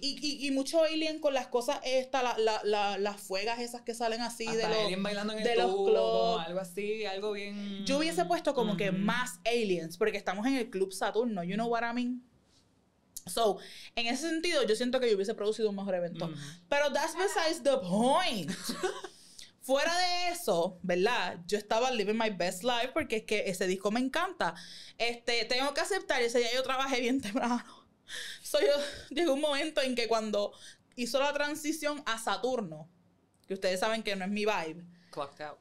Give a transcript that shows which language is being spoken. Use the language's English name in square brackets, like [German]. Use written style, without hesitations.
[Spanish] Y mucho alien con las cosas estas, las fuegas esas que salen así. Hasta de los alien bailando en el tubo, clubs. Algo así, algo bien. Yo hubiese puesto como que más aliens, porque estamos en el Club Saturno. [English] You know what I mean? [Spanish] So, en ese sentido, yo siento que yo hubiese producido un mejor evento. [English] Pero that's besides the point. [Spanish] Fuera de eso, ¿verdad? Yo estaba [English] living my best life [Spanish] porque es que ese disco me encanta. Tengo que aceptar, ese día yo trabajé bien temprano. So, yo llegó un momento en que cuando hizo la transición a Saturno, que ustedes saben que no es mi vibe, [English] clocked out.